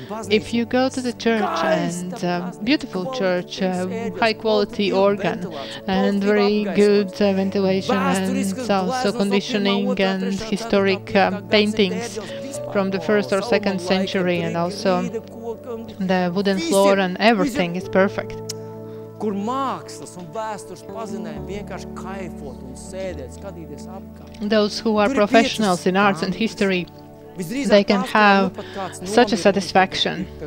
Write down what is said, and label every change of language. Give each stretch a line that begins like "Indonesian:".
English: If you go to the church, and beautiful church, high quality organ, and very good ventilation, and also conditioning, and historic paintings from the first or second century, and also the wooden floor, and everything is perfect.
Latvian: Kur mākslas un vēstures pazinējumi vienkārši kaifot un sēdēt, skatīties apkārt.
English: Those who are professionals in arts and history, they can have such a satisfaction.